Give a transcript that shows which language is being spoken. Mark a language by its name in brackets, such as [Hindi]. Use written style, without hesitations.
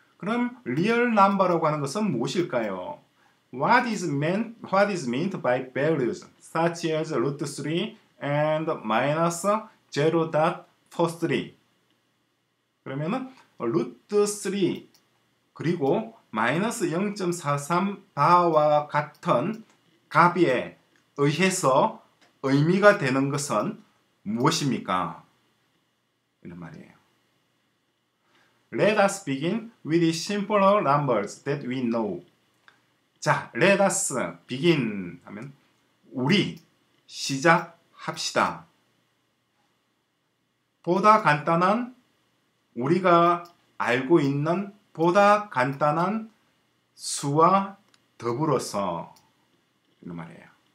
[Korean] 그럼 real number라고 하는 것은 무엇일까요? [English] What is meant by values such as root 3 and minus 0.43? [Korean] 그러면은 루트 3 그리고 마이너스 0.43 바와 같은 값에 의해서 의미가 되는 것은 무엇입니까? 이런 말이에요. [English] Let us begin with the simpler numbers that we know. [Korean] 자, [English] let us begin [Korean] 하면 우리 시작합시다. 보다 간단한 우리가 알고 있는 보다 간단한 수와 더불어서 이런 말이에요.